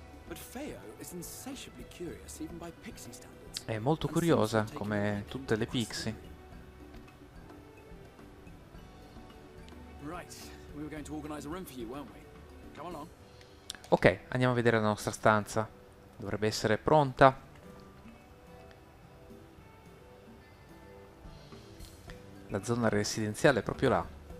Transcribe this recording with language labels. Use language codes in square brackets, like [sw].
[en] But Feo is insatiably curious even by pixie standards. [it] È molto curiosa, come tutte le pixie. [en] Right, we were going to organize a room for you, weren't we? Come along. [it] Ok, andiamo a vedere la nostra stanza. Dovrebbe essere pronta. La zona residenziale è proprio là.